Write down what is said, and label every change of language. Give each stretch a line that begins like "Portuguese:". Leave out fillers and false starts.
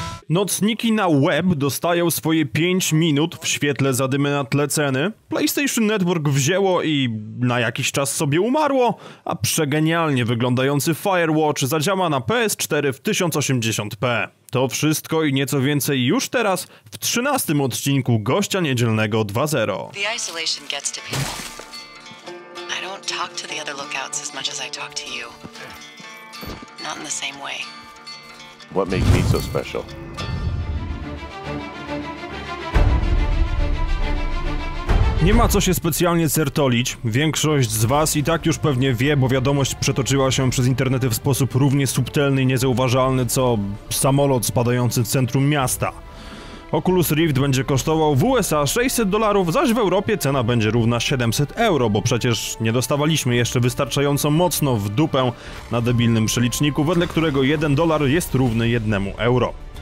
Polish: Nocniki na web dostają swoje 5 minut w świetle zadymy na tle ceny. PlayStation Network wzięło i na jakiś czas sobie umarło, a przegenialnie wyglądający Firewatch zadziała na PS4 w 1080p. To wszystko i nieco więcej już teraz w 13 odcinku Gościa Niedzielnego 2.0.
English: The isolation gets to people. I don't talk to the other lookouts as much as I talk to you. Not in the same way. What makes me so special?
Polish: Nie ma co się specjalnie certolić. Większość z was i tak już pewnie wie, bo wiadomość przetoczyła się przez internety w sposób równie subtelny i niezauważalny, co samolot spadający w centrum miasta. Oculus Rift będzie kosztował w USA $600, zaś w Europie cena będzie równa 700 euro, bo przecież nie dostawaliśmy jeszcze wystarczająco mocno w dupę na debilnym przeliczniku, wedle którego 1 dolar jest równy 1 euro.